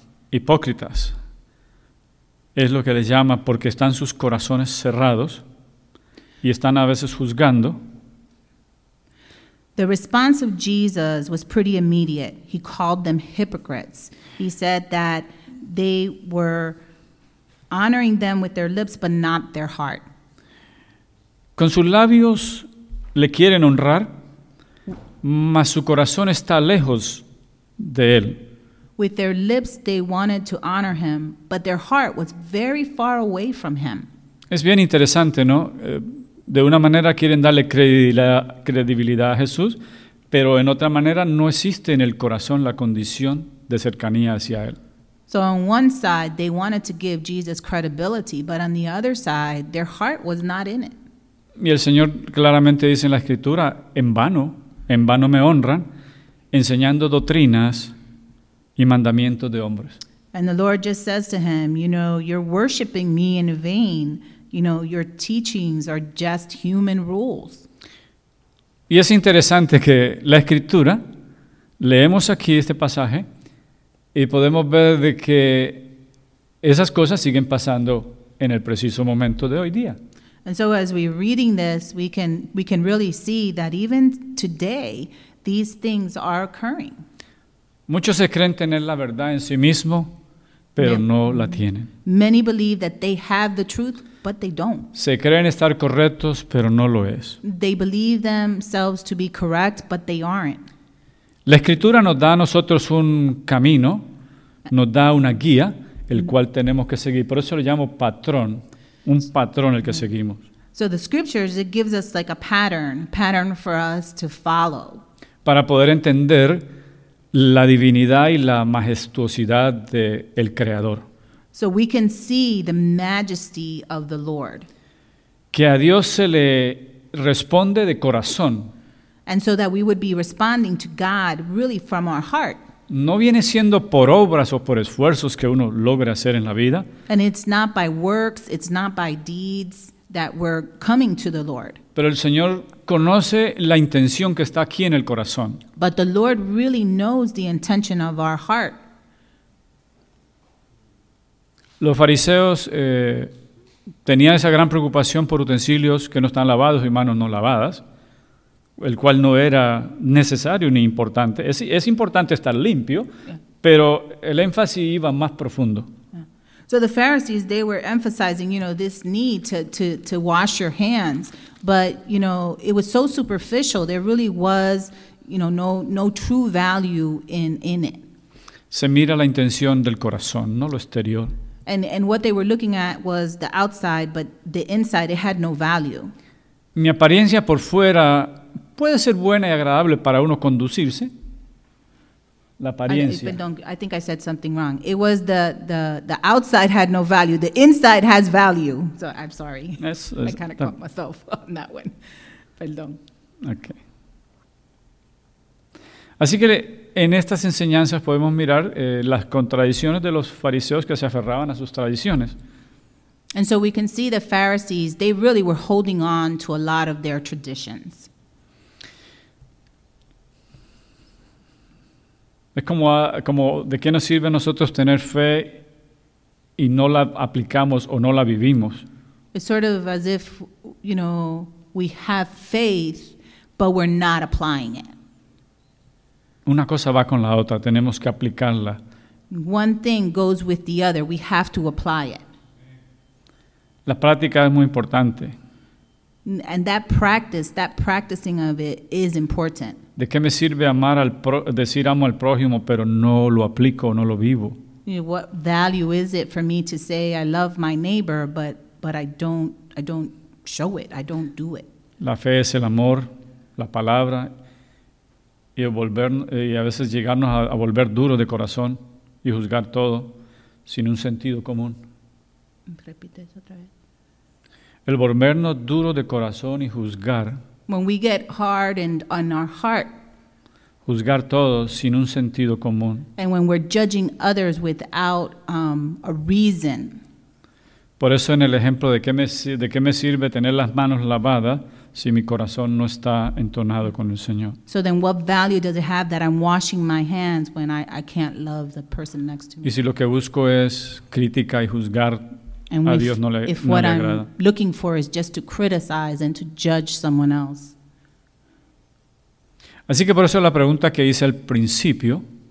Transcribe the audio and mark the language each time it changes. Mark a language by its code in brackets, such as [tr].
[es] Hipócritas es lo que les llama porque están sus corazones cerrados y están a veces juzgando. [en] The response of Jesus was pretty immediate. He called them hypocrites. He said that they were honoring them with their lips but not their heart. [es] Con sus labios le quieren honrar, mas su corazón está lejos de él. [en] With their lips they wanted to honor him, but their heart was very far away from him. [es] Es bien interesante, ¿no? De una manera quieren darle credibilidad a Jesús, pero en otra manera no existe en el corazón la condición de cercanía hacia él. [en] So on one side they wanted to give Jesus credibility, but on the other side their heart was not in it. [es] Y el Señor claramente dice en la Escritura, en vano me honran, enseñando doctrinas y mandamientos de hombres. [en] And the Lord just says to him, you know, you're worshiping me in vain. You know, your teachings are just human rules. [es] Y es interesante que la Escritura, leemos aquí este pasaje, y podemos ver de que esas cosas siguen pasando en el preciso momento de hoy día. [en] And so as we're reading this, we can really see that even today, these things are occurring. [es] Muchos se creen tener la verdad en sí mismo, pero no la tienen. [en] Many believe that they have the truth, but they don't. [es] Se creen estar correctos, pero no lo es. [en] They believe themselves to be correct, but they aren't. [es] La Escritura nos da a nosotros un camino, nos da una guía, el cual tenemos que seguir. Por eso lo llamo patrón, un patrón el que seguimos. [en] So the scriptures, it gives us like a pattern for us to follow. [es] Para poder entender la divinidad y la majestuosidad del Creador. [en] So we can see the majesty of the Lord. [es] Que a Dios se le responde de corazón. [en] And so that we would be responding to God really from our heart. [es] No viene siendo por obras o por esfuerzos que uno logra hacer en la vida. [en] And it's not by works, it's not by deeds that we're coming to the Lord. [es] Pero el Señor conoce la intención que está aquí en el corazón. [en] But the Lord really knows the intention of our heart. [es] Los fariseos tenían esa gran preocupación por utensilios que no están lavados y manos no lavadas, el cual no era necesario ni importante. Es importante estar limpio, pero el énfasis iba más profundo. [en] So the Pharisees, they were emphasizing, you know, this need to wash your hands. But, you know, it was so superficial. There really was, you know, no true value in it. [es] Se mira la intención del corazón, no lo exterior. [en] And what they were looking at was the outside, but the inside, it had no value. [es] Mi apariencia por fuera puede ser buena y agradable para uno conducirse. La apariencia. [en] I think I said something wrong. It was the outside had no value. The inside has value. So I'm sorry. I kind of caught myself on that one. [es] Perdón. [en] Okay. [es] Así que en estas enseñanzas podemos mirar las contradicciones de los fariseos que se aferraban a sus tradiciones. [en] And so we can see the Pharisees, they really were holding on to a lot of their traditions. [es] Es como de qué nos sirve a nosotros tener fe y no la aplicamos o no la vivimos. [en] It's sort of as if, you know, we have faith, but we're not applying it. [es] Una cosa va con la otra, tenemos que aplicarla. [en] One thing goes with the other, we have to apply it. [es] La práctica es muy importante. [en] And that practicing of it is important. [es] ¿De qué me sirve decir amo al prójimo, pero no lo aplico, no lo vivo? [en] You know, what value is it for me to say I love my neighbor, but I don't show it, I don't do it? [es] La fe es el amor, la palabra, y a veces llegarnos a volver duros de corazón y juzgar todo sin un sentido común. Repite eso otra vez. El volvernos duros de corazón y juzgar. [en] When we get hardened on our heart. [es] Juzgar todo sin un sentido común. [en] And when we're judging others without a reason. [es] Por eso en el ejemplo de qué me sirve tener las manos lavadas si mi corazón no está entonado con el Señor. [en] So then what value does it have that I'm washing my hands when I can't love the person next to me? [es] Y si lo que busco es crítica y juzgar. [en] And [es] a Dios no le, [en] if [es] no [en] what [es] le [en] I'm [es] agrada. [en] Looking for is just to criticize and to judge someone else. [es] Así que por eso la pregunta que hice al principio.